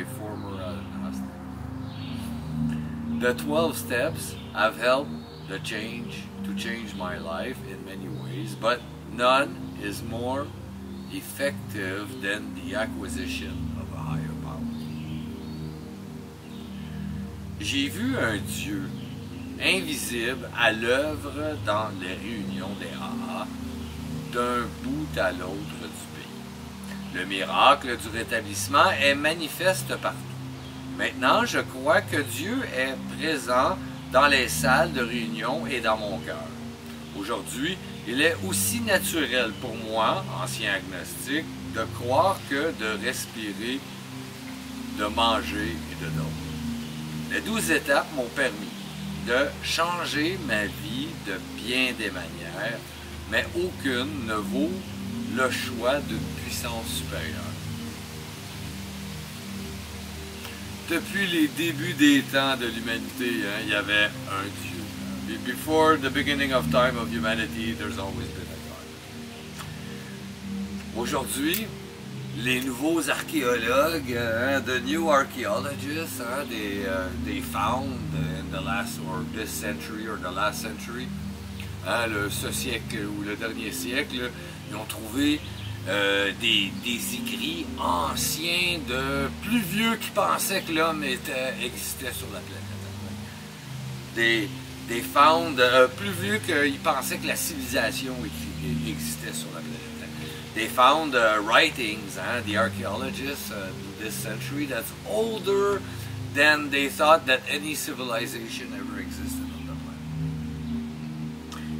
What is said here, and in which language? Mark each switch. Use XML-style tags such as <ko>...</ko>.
<en>A former agnostic. The 12 steps have helped to change my life in many ways, but none is more effective than the acquisition of a higher power.</en> <fr>J'ai vu un Dieu invisible à l'œuvre dans les réunions des AA d'un bout à l'autre du pays. Le miracle du rétablissement est manifeste partout. Maintenant, je crois que Dieu est présent dans les salles de réunion et dans mon cœur. Aujourd'hui, il est aussi naturel pour moi, ancien agnostique, de croire que de respirer, de manger et de dormir. Les 12 étapes m'ont permis de changer ma vie de bien des manières, mais aucune ne vaut le choix d'une puissance supérieure. Depuis les débuts des temps de l'humanité, il y avait un Dieu.</fr> <en>Before the beginning of time of humanity, there's always been a God.</en> <fr>Aujourd'hui, les nouveaux archéologues,</fr> <en>the new archaeologists, they found in the last or this century or the last century,</en> <fr>le ce siècle ou le dernier siècle, ils ont trouvé des écrits anciens de plus vieux qui pensaient que l'homme existait sur la planète. Des founds plus vieux qu'ils pensaient que la civilisation existait sur la planète.</fr> <en>They found writings, the archaeologists in this century, that's older than they thought that any civilization ever existed on the planet.</en>